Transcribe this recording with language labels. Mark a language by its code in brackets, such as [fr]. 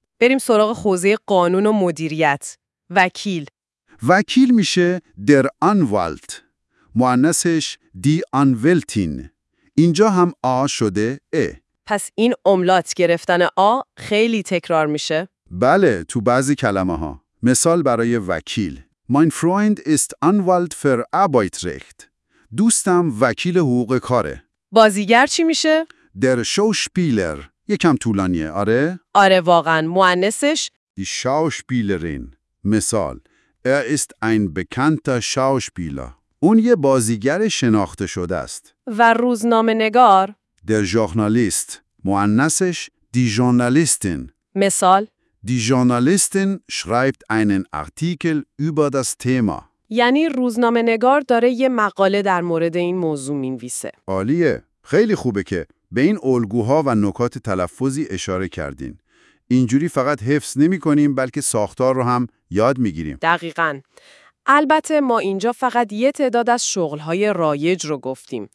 [fa] بریم سراغ حوزه قانون و مدیریت. وکیل. وکیل میشه در آنوالت، مؤنثش دی آنولتین. اینجا هم آ شده ای. پس این املات گرفتن آ خیلی تکرار میشه. بله، تو بعضی کلمه ها. مثال برای وکیل. [de] Mein Freund ist Anwalt für Arbeitsrecht. [fa] دوستم وکیل حقوق کاره. بازیگر چی میشه؟ [de] Der Schauspieler. [fa] یکم طولانیه، آره؟ آره واقعا، مؤنثش [de] Die Schauspielerin. [fa] مثال. [de] Er ist ein bekannter Schauspieler. [fa] اون یه بازیگر شناخته شده است. و روزنامه نگار [de] Der Journalist. [fa] مؤنثش [de] Die Journalistin. [fa] مثال [de] Die Journalistin schreibt einen Artikel über das Thema. [fa] یعنی روزنامه نگار داره یه مقاله در مورد این موضوع مینویسه. عالیه. خیلی خوبه که به این الگوها و نکات تلفظی اشاره کردین. اینجوری فقط حفظ نمی کنیم بلکه ساختار رو هم یاد می گیریم. دقیقاً. البته ما اینجا فقط یه تعداد از شغل‌های رایج رو گفتیم.